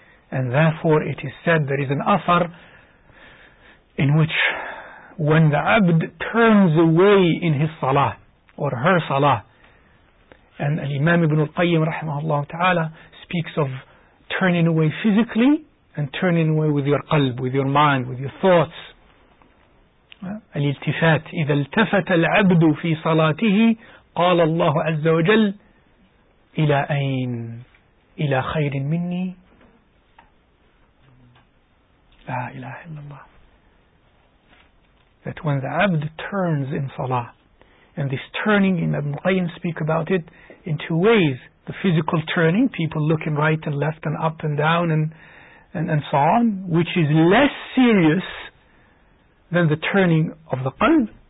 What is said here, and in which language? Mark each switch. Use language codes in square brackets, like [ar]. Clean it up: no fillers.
[en] And therefore it is said there is an athar in which when the abd turns away in his salah or her salah, and Imam Ibn al-Qayyim rahimahullah ta'ala speaks of turning away physically and turning away with your qalb, with your mind, with your thoughts. [ar] Al-iltifat, إِذَا الْتَفَتَ الْعَبْدُ فِي صَلَاتِهِ قال الله عز وجل إلى أين؟ إلى خير مني؟ لا إله إلا الله. [en] That when the abd turns in salah, and this turning in Ibn Qayyim speak about it in two ways. The physical turning, people looking right and left and up and down and so on, which is less serious than the turning of the qalb.